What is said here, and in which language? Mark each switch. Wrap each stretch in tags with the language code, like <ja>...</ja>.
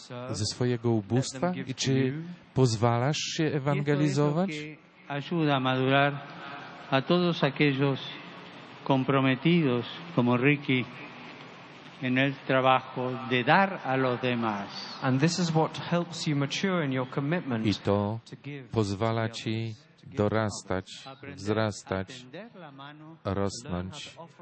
<pl>ze swojego ubóstwa i czy pozwalasz się ewangelizować?</pl> <es>Ayuda a madurar a todos aquellos comprometidos como Ricky en el trabajo de dar a los demás.</es> <en>And this is what helps you mature in your commitment.</en> <pl>I to pozwala ci dorastać, wzrastać, rosnąć.</pl>